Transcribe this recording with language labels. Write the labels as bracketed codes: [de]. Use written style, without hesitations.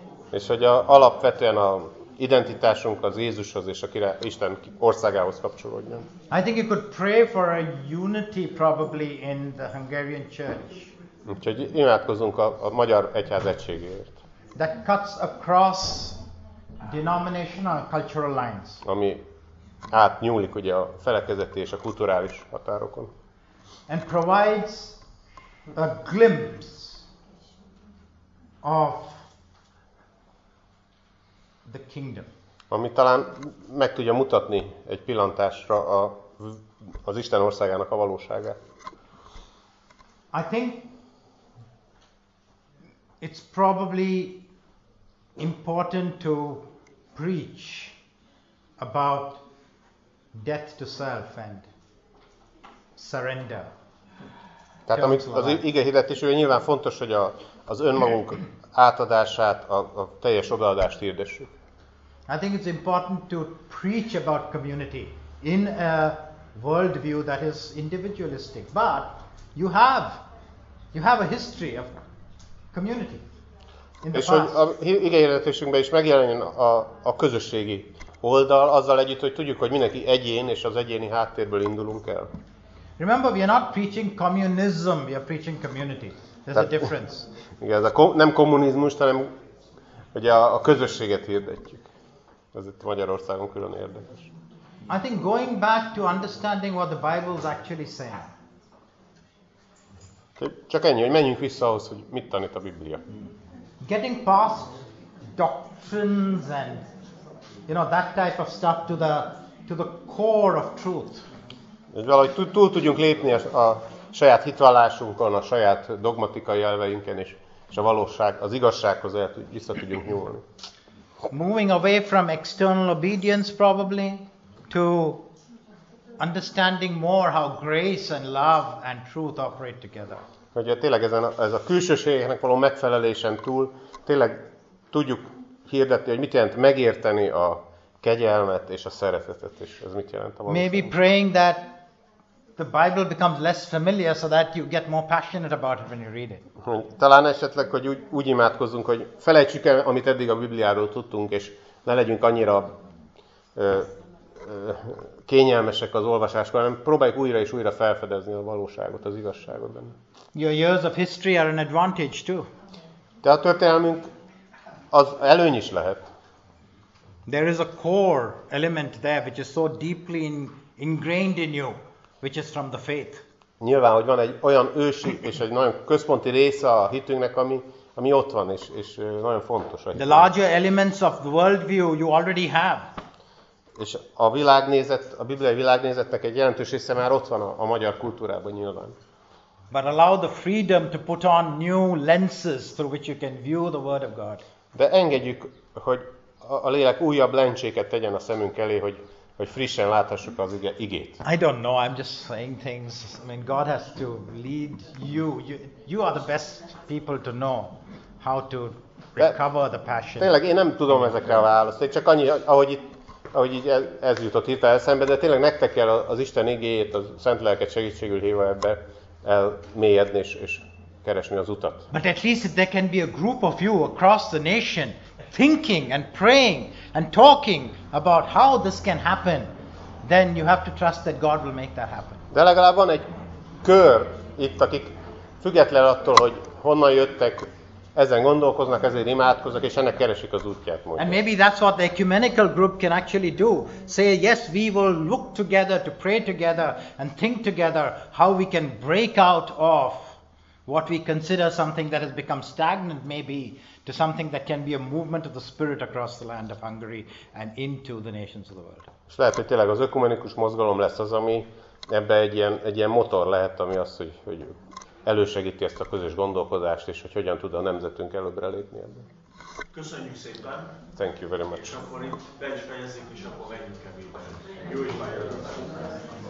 [hu] És hogy alapvetően a identitásunk az Jézushoz és a király, Isten országához kapcsolódjon. [en] I think you could pray for a unity probably in the Hungarian church. [hu] Úgyhogy imádkozunk a magyar egyház egységéért. [en] That cuts across denominational and cultural lines. [hu] Ami átnyúlik ugye a felekezeti és a kulturális határokon. [en] And provides a glimpse of the kingdom. [hu] Ami talán meg tudja mutatni egy pillantásra az Isten országának a valóságát. [en] I think it's probably important to preach about death to self and surrender. [hu] Tehát amit az ige hirdetésében nyilván fontos, hogy az önmagunk átadását, a teljes odaadást hirdessük. [en] I think it's important to preach about community in a world view that is individualistic, but you have a history of community. [hu] És hogy a ige hirdetésünkben is megjelenjen a közösségi oldal, azzal együtt, hogy tudjuk, hogy mindenki egyén és az egyéni háttérből indulunk el. [en] Remember, we are not preaching communism, we are preaching community. There's a difference. [hu] Igen, ez nem kommunizmus, hanem ugye a közösséget hirdetjük. Ez itt Magyarországon külön érdekes. [en] I think going back to understanding what the Bible is actually saying. [hu] Csak ennyi, hogy menjünk vissza ahhoz, hogy mit tanít a Biblia. [en] Getting past doctrines and you know that type of stuff to the core of truth. [hu] És valahogy túl tudjunk lépni a saját hitvallásunkon, a saját dogmatikai elveinken is, és a valóság, az igazsághoz vissza tudjunk nyúlni. [en] Moving away from external obedience probably to understanding more how grace and love and truth operate together. [hu] Ugye tényleg ez a külsőségeknek való megfelelésen túl tényleg tudjuk hirdetni, hogy mit jelent megérteni a kegyelmet és a szeretetet, és ez mit jelent a valóságban. [en] Maybe praying that the Bible becomes less familiar so that you get more passionate about it when you read it. [hu] Talán esetleg, hogy úgy imádkozzunk, hogy felejtsük el, amit eddig a Bibliáról tudtunk, és ne legyünk annyira kényelmesek az olvasáskor, hanem próbáljuk újra és újra felfedezni a valóságot, az igazságot benne. [en] Your years of history are an advantage too. [hu] De a történelmünk az előny is lehet. [en] There is a core element there which is so deeply ingrained in you, which is from the faith. [hu] Nyilván, hogy van egy olyan ősi és egy nagyon központi része a hitünknek, ami ott van és nagyon fontos. [en] The larger elements of the world view you already have. [hu] És a világnézet, a bibliai világnézetnek egy jelentős része már ott van a magyar kultúrában nyilván. [en] But allow the freedom to put on new lenses through which you can view the word of God. [hu] De engedjük, hogy a lélek újabb lencséket tegyen a szemünk elé, hogy frissen láthassuk az igét. [en] I don't know, I'm just saying things. I mean, God has to lead you. You are the best people to know how to recover the passion. [hu] Tényleg, én nem tudom ezekre a választ. Csak annyi, ahogy így ez jutott itt eszembe, de tényleg nektek kell az Isten igéjét, a Szent Lelket segítségül hívva ebbe elmélyedni és keresni az utat. [en] But at least there can be a group of you across the nation thinking and praying and talking about how this can happen, then you have to trust that God will make that happen. [hu] De legalább van egy kör itt, akik független attól, hogy honnan jöttek, ezen gondolkoznak, ezért imádkoznak, és ennek keresik az útját, mondja. [en] And maybe that's what the ecumenical group can actually do. Say, yes, we will look together to pray together and think together how we can break out of what we consider something that has become stagnant maybe to something that can be a movement of the spirit across the land of Hungary and into the nations of the world. [hu] És lehet, hogy tényleg az ökumenikus mozgalom lesz az, ami ebbe egy ilyen motor lehet, ami az, hogy elősegíti ezt a közös gondolkodást, és hogy hogyan tud a nemzetünk előbbre lépni ebben. Köszönjük szépen! [en] Thank you very much! [hu] És akkor itt be is fejezzük, és akkor menjünk kevésbe. Jó is már jövőben!